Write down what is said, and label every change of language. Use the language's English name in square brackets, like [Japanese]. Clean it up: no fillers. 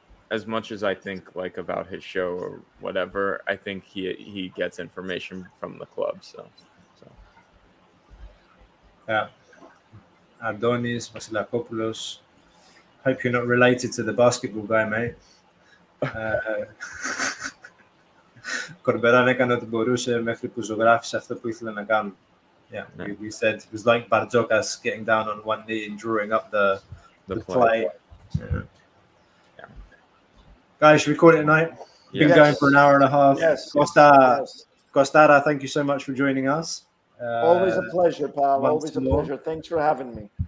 [English] As much as I think like about his show or whatever, I think he gets information from the club. So. Yeah, Adonis Vasilakopoulos. Hope you're not related to the basketball guy, mate. [Greek] Κορμπεράν έκανε ό,τι μπορούσε μέχρι που ζωγράφισε αυτό που ήθελε να κάνω. [English] Yeah, we said it was like Bartokas getting down on one knee and drawing up the play. Yeah. Guys, should we call it a night? Yes. Been going for an hour and a half. Yes. Costara, thank you so much for joining us. Always a pleasure, pal. Always a pleasure. Thanks for having me.